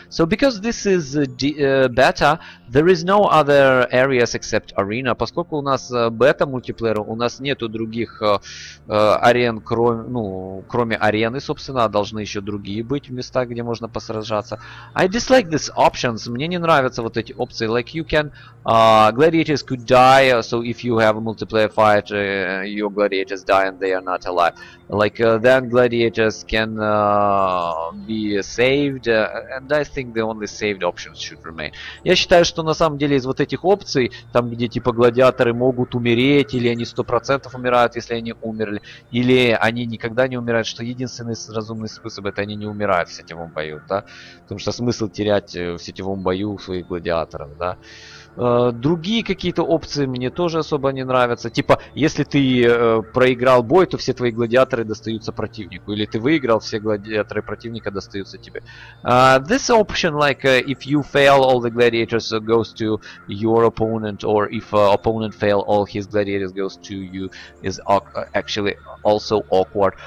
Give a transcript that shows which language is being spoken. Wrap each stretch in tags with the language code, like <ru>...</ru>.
<en>So because this is beta, there is no other areas except arena.</en> <ru>Поскольку у нас бета-мультиплеер, у нас нету других арен, кроме арены, собственно, должны еще другие быть места, где можно посражаться.</ru> <en>I dislike these options.</en> <ru>Мне не нравятся вот эти опции.</ru> <en>Like you can, gladiators could die, so if you have a multiplayer fight, your gladiators die and they are not alive. Like then gladiators can be saved, and I think the only saved options should remain.</en> <ru>Я считаю, что на самом деле из вот этих опций, там где типа гладиаторы могут умереть, или они 100% умирают, если они умерли, или они никогда не умирают, что единственный разумный способ — это они не умирают в сетевом бою, да? Потому что смысл терять в сетевом бою своих гладиаторов, да? Другие какие-то опции мне тоже особо не нравятся. Типа, если ты проиграл бой, то все твои гладиаторы достаются противнику. Или ты выиграл, все гладиаторы противника достаются тебе.</ru> <en>This option, like, if you fail, all the gladiators goes to your opponent, or if opponent fail, all his gladiators goes to you, is actually also awkward.</en>